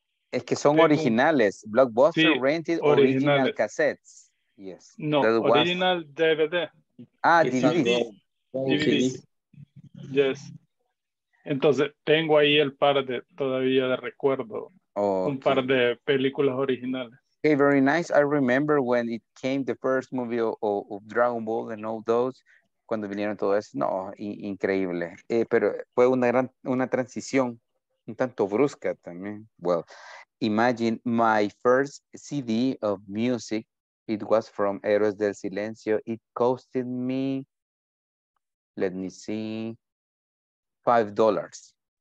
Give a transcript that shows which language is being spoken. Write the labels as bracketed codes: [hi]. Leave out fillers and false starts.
[es] Es que son originales. Blockbuster, sí, [en] rented, original cassettes. Yes. No, original DVD. Ah, DVD. DVD. Yes. [es] Entonces, tengo ahí el par de, todavía de recuerdo. Okay. Un par de películas originales. [en] Okay, very nice. I remember when it came the first movie of Dragon Ball and all those. [es] Cuando vinieron todo eso, no, increíble. Pero fue una gran, una transición un tanto brusca también. [en] Well, imagine my first CD of music. It was from Héroes del Silencio. It costed me, let me see, $5.